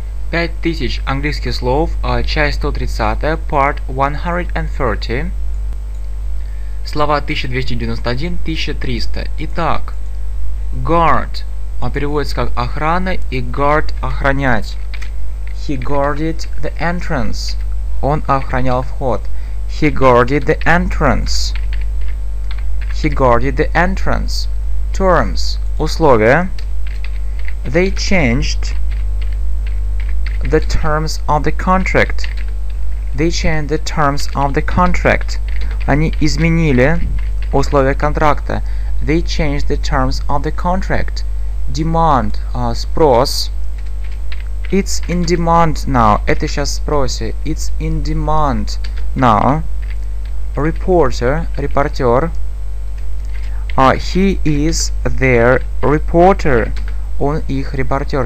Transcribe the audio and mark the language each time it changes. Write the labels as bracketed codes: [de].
[ru] 5000 английских слов, часть 130, [en] part 130. [ru] Слова 1291-1300. Итак, guard, он переводится как охрана, и guard — охранять. [en] He guarded the entrance. [ru] Он охранял вход. [en] He guarded the entrance. He guarded the entrance. Terms, условия. They changed the terms of the contract. They changed the terms of the contract. [ru] Они изменили условия контракта. [en] They changed the terms of the contract. Demand, спрос. It's in demand now. [ru] Это сейчас в спросе. [en] It's in demand now. Reporter, репортер. He is their reporter. [ru] Он их репортер.